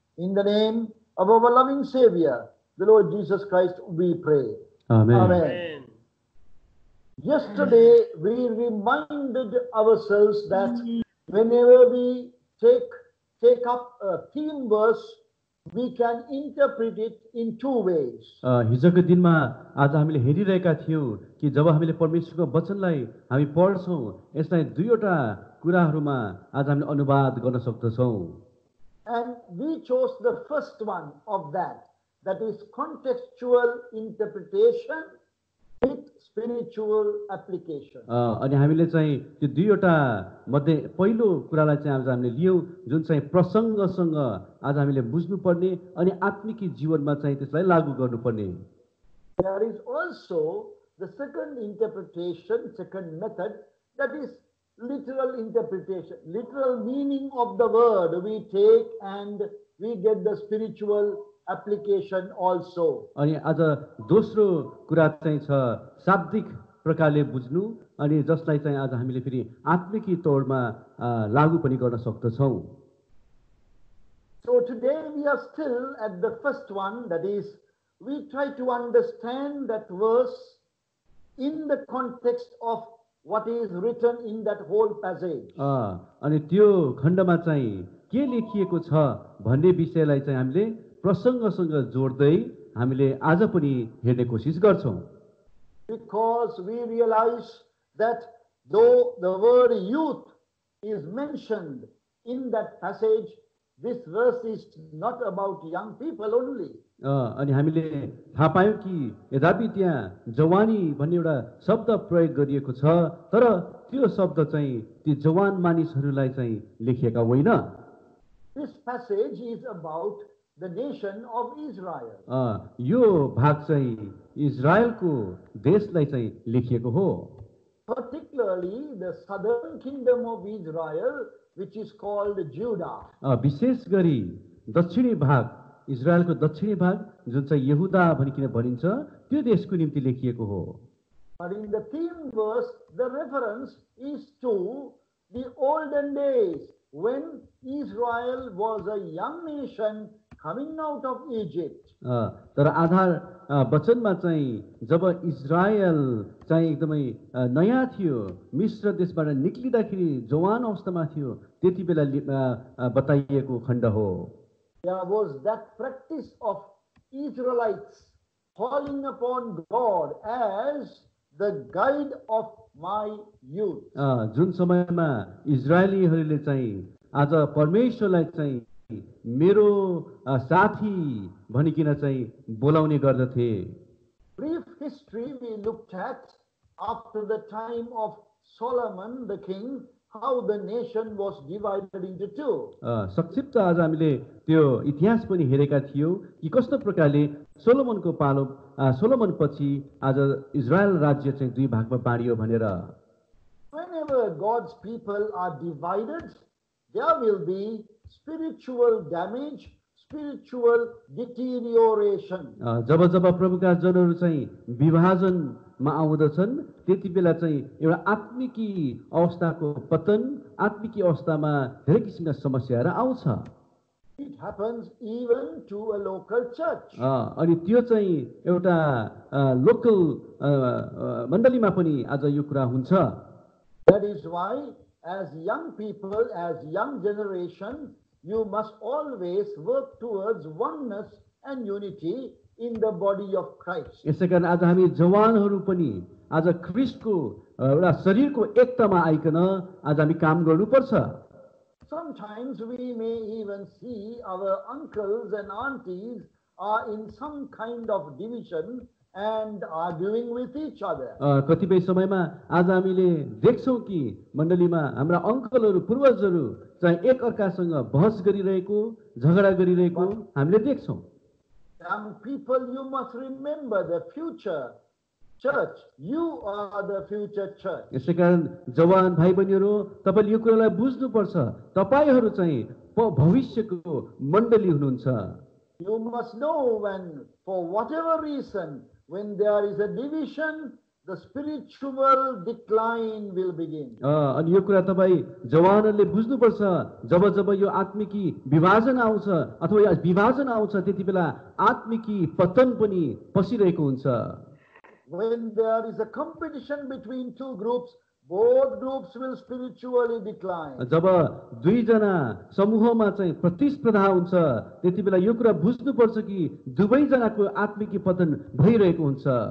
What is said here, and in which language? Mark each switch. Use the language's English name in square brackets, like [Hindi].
[English] In the name of our loving Savior, the Lord Jesus Christ, we pray. Amen. Amen. Amen. Yesterday, we reminded ourselves that whenever we take up a theme verse, we can interpret it in two ways. [Nepali] हिजोको दिनमा आज हामीले हेरिरहेका थियौँ कि जब हामीले परमेश्वरको वचनलाई हामी पढ्छौँ यसलाई दुईवटा कुराहरूमा आज हामीले अनुवाद गर्न सक्दछौँ. [English] And we chose the first one of that is contextual interpretation with spiritual application. [Nepali] अनि हामीले चाहिँ त्यो दुईवटा मध्ये पहिलो कुरालाई चाहिँ आज हामीले लियौँ जुन चाहिँ प्रसङ्गसँग आज हामीले बुझ्नुपर्ने अनि आत्मिक जीवनमा चाहिँ त्यसलाई लागू गर्नुपर्ने. [English] There is also the second interpretation, second method, that is literal interpretation, literal meaning of the word we take and we get the spiritual application also. [Nepali] अनि आज दोस्रो कुरा चाहिँ छ शाब्दिक प्रकारले बुझ्नु अनि जसलाई चाहिँ आज हामीले फेरि आत्मिकी तौरमा लागू पनि गर्न सक्दछौ. [English] So today we are still at the first one, that is, we try to understand that verse in the context of what is written in that whole passage. [Nepali] अनि त्यो खण्डमा चाहिँ के लेखिएको छ भन्ने विषयलाई चाहिँ हामीले प्रसंगसँग जोड्दै हामीले आज पनि हेर्ने कोसिस गर्छौँ. [English] Because we realize that though the word youth is mentioned in that passage, this verse is not about young people only. [Nepali] अनि हामीले थाहा पायौँ कि यद्यपि त्यहाँ जवानी भन्ने एउटा शब्द प्रयोग गरिएको छ, तर त्यो शब्द चाहिँ ती जवान मानिसहरूलाई चाहिँ लेखिएका होइन. [English] This passage is about the nation of Israel. [Nepali] यो भाग चाहिँ इजरायलको देशलाई चाहिँ लेखिएको हो. [English] Particularly the southern kingdom of Israel, which is called Judah. [Nepali] विशेष गरी दक्षिणी भाग, इजरायलको दक्षिणी भाग जुन चाहिँ यहुदा भनिकन भनिन्छ, त्यो देशको निम्ति लेखिएको हो. [English] But in the theme verse, the reference is to the olden days, when Israel was a young nation coming out of Egypt. [Nepali] तर आधार वचनमा चाहिँ जब इजरायल चाहिँ एकदमै नयाँ थियो, मिश्र देशबाट निक्लिँदाखेरि जवान अवस्थामा थियो, त्यति बेला बताइएको खण्ड हो. [English] There was that practice of Israelites calling upon God as the guide of my youth. [Nepali] जुन समयमा इजरायलीहरूले चाहिँ आज परमेश्वरलाई चाहिँ मेरो साथी भनिकन चाहिँ बोलाउने गर्दथे. [English] Brief history we looked at after the time of Solomon the king, how the nation was divided into two. [Nepali] संक्षिप्त आज हामीले त्यो इतिहास पनि हेरेका थियौँ कि कस्तो प्रकारले सोलोमनको पालो सोलोमन पछि आज इजरायल राज्य चाहिँ दुई भागमा बाँडियो भनेर. [English] Whenever God's people are divided, there will be spiritual damage, spiritual deterioration. [Nepali] जब जब प्रभुका जनहरू चाहिँ विभाजनमा आउँदछन्, त्यति बेला चाहिँ एउटा आत्मिकी अवस्थाको पतन, आत्मिकी अवस्थामा धेरै किसिमका समस्याहरू आउँछ. [English] It happens even to a local church. [Nepali] अनि त्यो चाहिँ एउटा लोकल मण्डलीमा पनि आज यो कुरा हुन्छ. [English] That is why, as young people, as young generation, you must always work towards oneness and unity in the body of Christ. [Nepali] यसैकारण आज हामी जवानहरू पनि आज ख्रीष्टको एउटा शरीरको एकतामा आइकन आज हामी काम गर्नुपर्छ. [English] Sometimes we may even see our uncles and aunties are in some kind of division and arguing with each other. [Nepali] कतिपय समयमा आज हामीले देख्छौँ कि मण्डलीमा हाम्रा अङ्कलहरू, पूर्वजहरू चाहिँ एक अर्कासँग बहस गरिरहेको, झगडा गरिरहेको हामीले देख्छौँ. [English] Young people, you must remember the future. Church, you are the future church. [Nepali] यसैकारण जवान भाइ बहिनीहरू, तपाईँले यो कुरालाई बुझ्नुपर्छ, तपाईँहरू चाहिँ भविष्यको मण्डली हुनुहुन्छ. [English] You must know when, for whatever reason, when there is a division, the spiritual decline will begin. [Nepali] अनि यो कुरा तपाईँ जवानहरूले बुझ्नुपर्छ, जब जब यो आत्मिकी विभाजन आउँछ अथवा यो विभाजन आउँछ, त्यति बेला आत्मिकी पतन पनि पसिरहेको हुन्छ. [English] When there is a competition between two groups, both groups will spiritually decline. [Nepali] जब दुई जना समूहमा चाहिँ प्रतिस्पर्धा हुन्छ, त्यति बेला यो कुरा बुझ्नु पर्छ कि दुवै जनाको आत्मिक पतन भइरहेको हुन्छ.